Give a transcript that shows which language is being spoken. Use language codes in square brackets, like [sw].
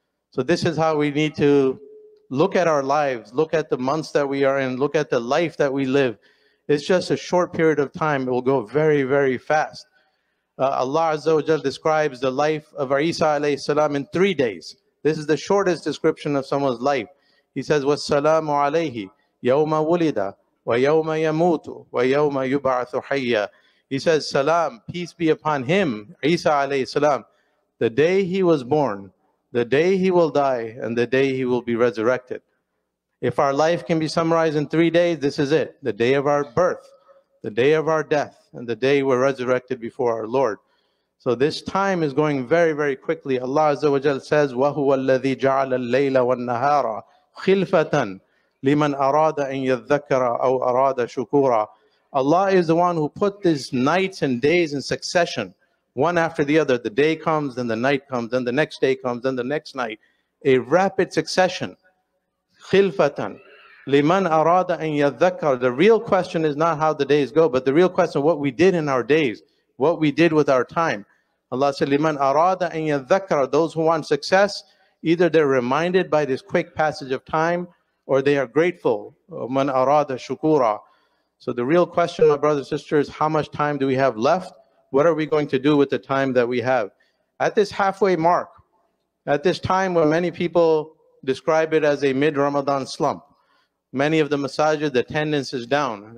[en] So this is how we need to look at our lives, look at the months that we are in, look at the life that we live. It's just a short period of time. It will go very, very fast. Allah Azza wa Jal describes the life of Isa alayhi salam in 3 days. This is the shortest description of someone's life. He says, [ar] وَالسَّلَامُ عَلَيْهِ يَوْمَ وُلِدَ وَيَوْمَ يَمُوتُ وَيَوْمَ يُبْعَثُ حَيَّا. [en] He says, Salam, peace be upon him, Isa alayhi salam, the day he was born, the day he will die, and the day he will be resurrected. If our life can be summarized in 3 days, this is it. The day of our birth, the day of our death, and the day we're resurrected before our Lord. So this time is going very, very quickly. Allah Azza wa Jal says, [ar] وَهُوَ الَّذِي جَعَلَ اللَّيْلَ وَالنَّهَارَ خِلْفَةً لِمَنْ أَرَادَ أَنْ يَذَّكَّرَ أَوْ أَرَادَ شُكُورًا. [en] Allah is the one who put these nights and days in succession, one after the other. The day comes, then the night comes, then the next day comes, then the next night. A rapid succession. [ar] خِلْفَةً لِمَنْ أَرَادَ أَنْ يَذَّكَّرَ. [en] The real question is not how the days go, but the real question, what we did in our days, what we did with our time. Allah said, [ar] لِمَنْ أَرَادَ أَنْ يَذَّكَّرَ. [en] Those who want success, either they're reminded by this quick passage of time, or they are grateful. [ar] مَنْ أَرَادَ شُكُورًا. [en] So the real question, my brothers and sisters, how much time do we have left? What are we going to do with the time that we have? At this halfway mark, at this time where many people describe it as a mid-Ramadan slump, many of the masajid, the attendance is down.